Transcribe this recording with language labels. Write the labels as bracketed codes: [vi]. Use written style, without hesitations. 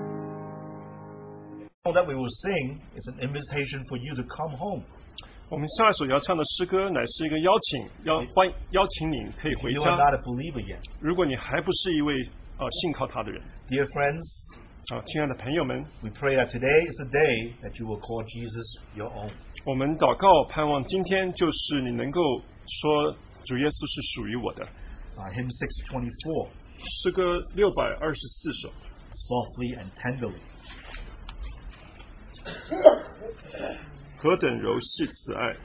[en] sing is an invitation for you to come home. [zh] 我们下一首要唱的诗歌乃是一个邀请, 邀请你可以回家。 [en] You are not a believer yet. [zh] 如果你还不是一位, 信靠他的人, [en] Dear friends, [zh] 亲爱的朋友们, [en] we pray that today is the day that you will call Jesus your own. [zh] 我们祷告盼望今天就是你能够说, 主耶稣是属于我的。 [en] Hymn 624, [zh] 诗歌624首, [en] Softly and tenderly. [zh] 何等柔细慈爱,